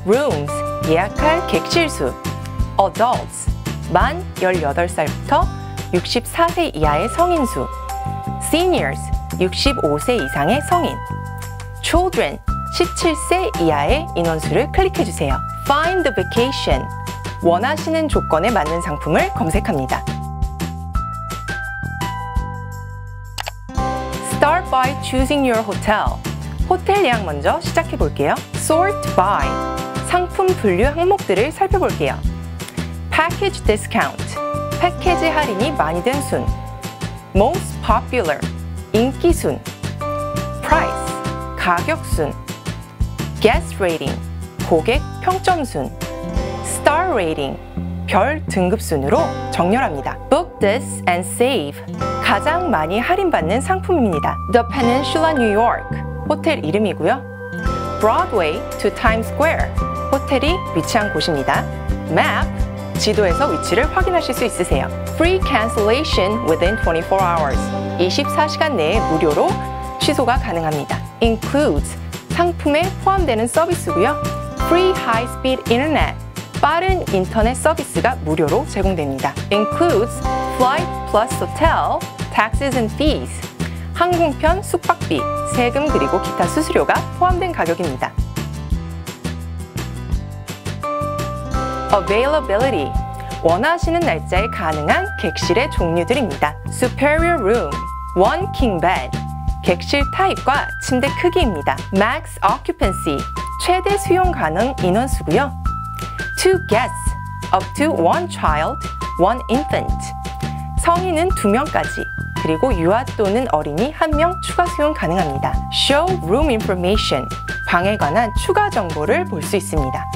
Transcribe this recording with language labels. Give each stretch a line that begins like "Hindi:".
Korean: Rooms, 예약할 객실 수. Adults, 만 18살부터 64세 이하의 성인 수. Seniors, 65세 이상의 성인. Children, 17세 이하의 인원수를 클릭해주세요.
English: Find the vacation,
Korean: 원하시는 조건에 맞는 상품을 검색합니다.
English: Start by choosing your hotel.
Korean: 호텔 예약 먼저 시작해 볼게요.
English: Sort by,
Korean: 상품 분류 항목들을 살펴볼게요.
English: Package discount,
Korean: 패키지 할인이 많이 든 순.
English: Most popular,
Korean: 인기 순. Price, 가격 순.
English: Guest rating,
Korean: 고객 평점 순.
English: Star rating,
Korean: 별 등급 순으로 정렬합니다.
English: Book this and save,
Korean: 가장 많이 할인받는 상품입니다.
English: The Peninsula New York,
Korean: 호텔 이름이고요.
English: Broadway to Times Square,
Korean: 호텔이 위치한 곳입니다. Map, 지도에서 위치를 확인하실 수 있으세요.
English: Free cancellation within 24 hours,
Korean: 24시간 내에 무료로 취소가 가능합니다. Includes, 상품에 포함되는 서비스고요.
English: Free high-speed internet,
Korean: 빠른 인터넷 서비스가 무료로 제공됩니다.
English: Includes flight plus hotel, taxes and fees,
Korean: 항공편, 숙박비, 세금 그리고 기타 수수료가 포함된 가격입니다. Availability, 원하시는 날짜에 가능한 객실의 종류들입니다.
English: Superior room, one king bed,
Korean: 객실 타입과 침대 크기입니다.
English: Max occupancy,
Korean: 최대 수용 가능 인원수고요.
English: Two guests, up to one child, one infant,
Korean: 성인은 두 명까지, 그리고 유아 또는 어린이 한 명 추가 수용 가능합니다.
English: Show room information,
Korean: 방에 관한 추가 정보를 볼 수 있습니다.